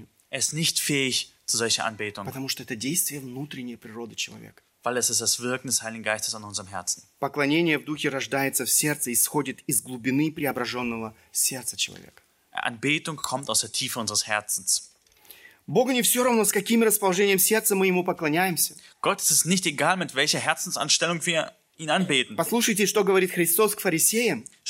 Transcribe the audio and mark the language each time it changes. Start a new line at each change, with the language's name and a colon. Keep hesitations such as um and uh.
German: Er ist nicht fähig, zu solcher Anbetung.
Russian: Потому что это действие внутренней природы человека.
German: Weil es ist das Wirken des Heiligen Geistes an unserem Herzen.
Russian: Поклонение в духе рождается в сердце и исходит из глубины преображенного сердца человека.
German: Anbetung kommt aus der Tiefe unseres Herzens.
Russian: Богу не все равно, с каким расположением сердца мы ему поклоняемся.
German: Gott es ist es nicht egal, mit welcher Herzensanstellung wir ihn anbeten.
Russian: Послушайте, что говорит Христос к фарисеям.